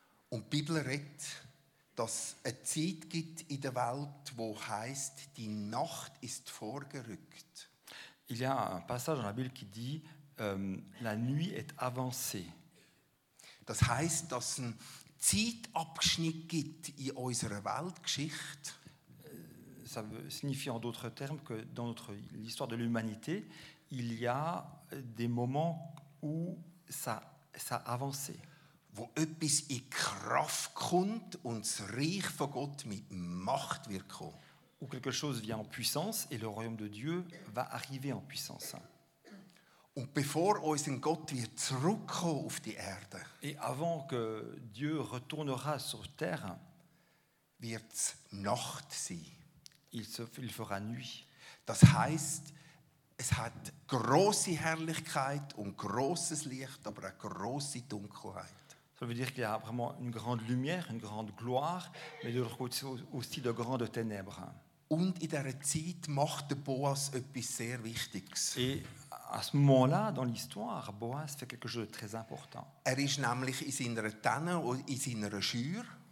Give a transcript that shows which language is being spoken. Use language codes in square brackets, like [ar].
[de] Und die Bibel redet, dass eine Zeit gibt in der Welt, wo heisst, die Nacht ist vorgerückt. [fr] Il y a un passage dans la Bible qui dit la nuit est avancée. [de] Das heißt, dass ein Zeitabschnitt gibt in unserer Weltgeschichte. [fr] Ça signifie en d'autres termes que dans l'histoire de l'humanité, il y a des moments où ça avance. [de] Wo etwas in Kraft kommt und das Reich von Gott mit Macht wird kommen. [fr] Où quelque chose vient en puissance et le royaume de Dieu va arriver en puissance. [de] Und bevor unser Gott wird zurückkommen auf die Erde, [fr] et avant que Dieu retournera sur terre, [de] wird's Nacht sein. [fr] Il fera nuit. [de] Das heißt, es hat große Herrlichkeit und großes Licht, aber eine große Dunkelheit. [fr] Ça veut dire qu'il y a vraiment une grande lumière, une grande gloire, mais de l'autre côté aussi de grandes ténèbres. [de] Und in dieser Zeit macht der Boas etwas sehr Wichtiges. [fr] Et à ce moment-là, dans l'histoire, Boas fait quelque chose de très important. [de] Er ist nämlich in seiner Tanne, in seiner Schür.